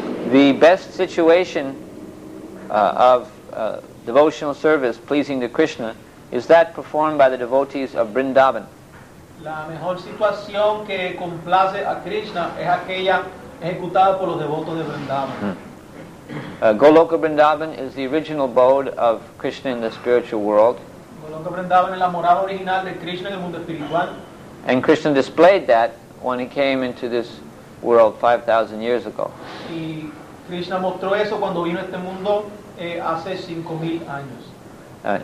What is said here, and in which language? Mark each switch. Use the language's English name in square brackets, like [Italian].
[English] The best situation of devotional service pleasing to Krishna is that performed by the devotees of Vrindavan. [Spanish] La mejor situación que complace a Krishna es aquella ejecutada por los devotos de Vrindavan. [English] Goloka Vrindavan is the original abode of Krishna in the spiritual world. [Spanish] Goloka Vrindavan es la morada original de Krishna en el mundo espiritual. [English] And Krishna displayed that when he came into this world 5,000 years ago. [Spanish] Y Krishna mostró eso cuando vino a este mundo hace 5,000 años.